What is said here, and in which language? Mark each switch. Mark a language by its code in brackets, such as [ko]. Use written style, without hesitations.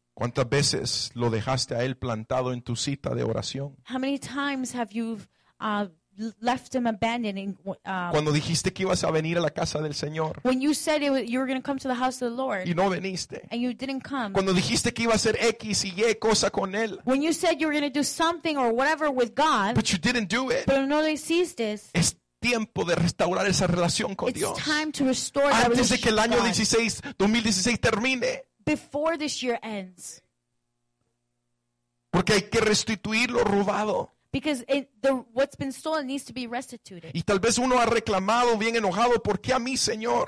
[es] ¿Cuántas veces lo dejaste a Él plantado en tu cita de oración? [en] How many times have you left him abandoning [es] cuando dijiste que ibas a venir a la casa del Señor, [en] when you said you were going to come to the house of the Lord, [es] y no veniste, [en] and you didn't come, [es] cuando dijiste que iba a hacer X y Y cosa con él, [en] when you said you were going to do something or whatever with God, but you didn't do it, [es] pero no lo hiciste, es tiempo de restaurar esa relación con [en] it's [es] Dios, [en] it's time to restore [es] antes [en] that relationship [es] de que el año 2016 termine, [en] before this year ends, [es] porque hay que restituir lo robado. [en] Because what's been stolen needs to be restituted. [es] Y tal vez uno ha reclamado bien enojado, ¿por qué a mí, Señor?